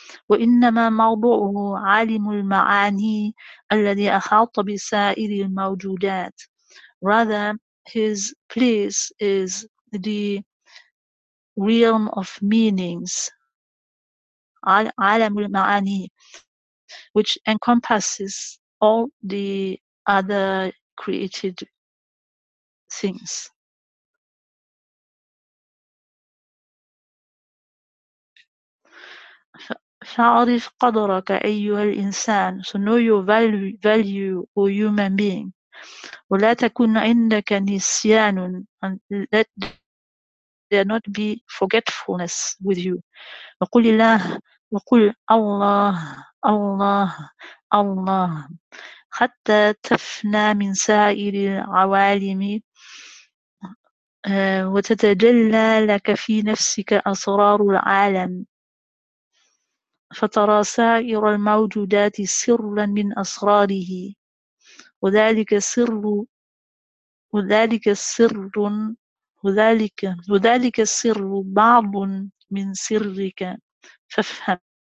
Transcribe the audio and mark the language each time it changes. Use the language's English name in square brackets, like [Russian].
[Arabic] وَإِنَّمَا مَوْضُعُهُ عَالِمُ الْمَعَانِي الَّذِي أَحَاطَ بِسَائِرِ الْمَوْجُودَاتِ, [English] rather his place is the realm of meanings, [Arabic] عَالَمُ الْمَعَانِي, [English] which encompasses all the other created things. [Arabic] فَعَرِفْ قَدْرَكَ أَيُّهَا الْإِنسَانُ, [English] so know your value, O human being. [Arabic] وَلَا تَكُنْ عِنْدَكَ نِسْيَانٌ, [English] and let there not be forgetfulness with you. [Arabic] وقل الله وقل الله الله الله حتى تفنى من سائر العوالم وتتجلى لك في نفسك أسرار العالم فترى سائر الموجودات سرا من أسراره وذلك سر وذلك سر وذلك وذلك السر بعض من سرك فافهم.